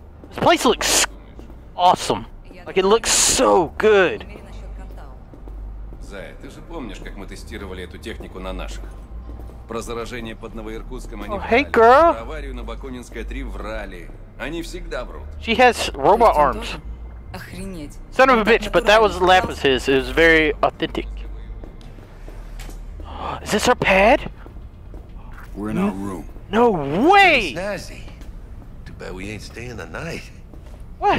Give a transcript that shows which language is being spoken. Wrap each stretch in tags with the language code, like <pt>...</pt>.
<en>This place looks awesome. Like, it looks so good.</en> <ru>Зая, ты же помнишь, как мы тестировали эту технику на наших? Про заражение под Новоиркутском они врали.</ru> <en>Hey, girl.</en> <ru>Про аварию на Бакунинской 3 врали. Они всегда врут.</ru> <en>She has robot arms.</en> <ru>Охренеть.</ru> <en>Son of a bitch, but that was Lapis his. It was very authentic. Is this our pad? We're in our room. No way! Snazzy. Too bad we ain't staying the night. What?</en>